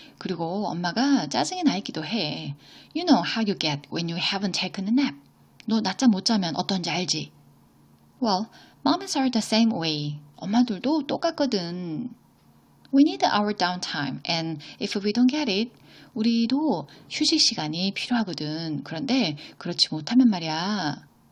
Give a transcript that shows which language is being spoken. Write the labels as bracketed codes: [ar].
[ko] 그리고 엄마가 짜증이 나 있기도 해. [en] You know how you get when you haven't taken a nap. [ko] 너 낮잠 못 자면 어떤지 알지? [en] Well, mommies are the same way. [ko] 엄마들도 똑같거든. [en] We need our downtime, and if we don't get it, [ko] 우리도 휴식 시간이 필요하거든. 그런데 그렇지 못하면 말이야.